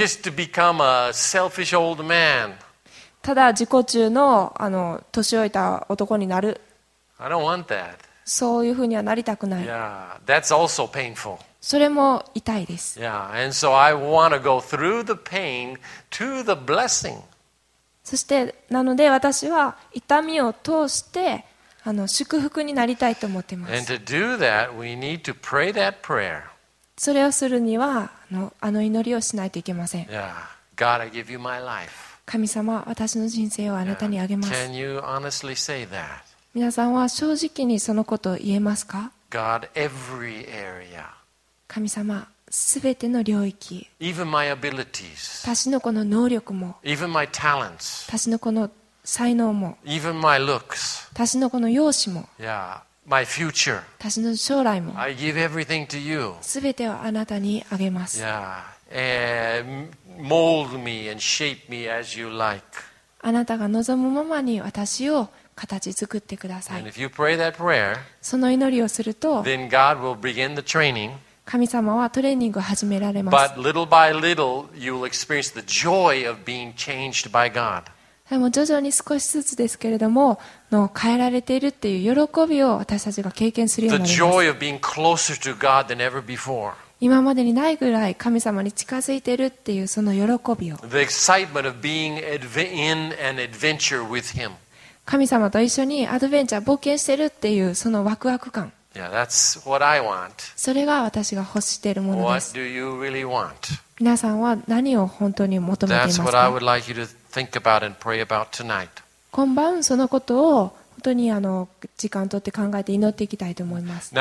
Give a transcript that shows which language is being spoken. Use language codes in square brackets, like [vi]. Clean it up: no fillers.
[en] Just to become a selfish old man. [ja] ただ自己中の年老いた男になる。 [en] I don't want that. [ja] そういうふうにはなりたくない。 [en] Yeah, that's also painful. [ja] それも痛いです。 [en] Yeah, and so I want to go through the pain to the blessing. [ja] そしてなので私は痛みを通して祝福になりたいと思っています。 [en] And to do that, we need to pray that prayer. [ja] それをするには祈りをしないといけません。 [en] Yeah, God, I give you my life. [ja] 神様、私の人生をあなたにあげます。 [en] Can you honestly say that? [ja] 皆さんは正直にそのことを言えますか? [en] God, every area. [ja] 神様、すべての領域。 [en] Even my abilities. [ja] 私のこの能力も。 [en] Even my talents. [ja] 私のこの才能も、 [en] even my looks, [ja] 私のこの容姿も、 [en] yeah, my future, [ja] 私の将来も、 [en] I give everything to you, [ja] すべてをあなたにあげます。 [en] Yeah, mold me and shape me as you like. [ja] あなたが望むままに私を形作ってください。 [en] And if you pray that prayer, [ja] その祈りをすると、 [en] then God will begin the training. [ja] 神様はトレーニングを始められます。 [en] But little by little, you will experience the joy of being changed by God. [ja] でも徐々に少しずつですけれども、の変えられているっていう喜びを私たちが経験するようになります。 [en] The joy of being closer to God than ever before. [ja] 今までにないぐらい神様に近づいているっていうその喜びを。 [en] The excitement of being in an adventure with Him. [ja] 神様と一緒にアドベンチャー冒険しているっていうそのワクワク感。 [en] Yeah, that's what I want. [ja] それが私が欲しているものです。 [en] What do you really want? [ja] 皆さんは何を本当に求めていますか? [en] That's what I would like you to think about and pray about tonight. [ja] 今晩そのことを本当に時間を取って考えて祈っていきたいと思います。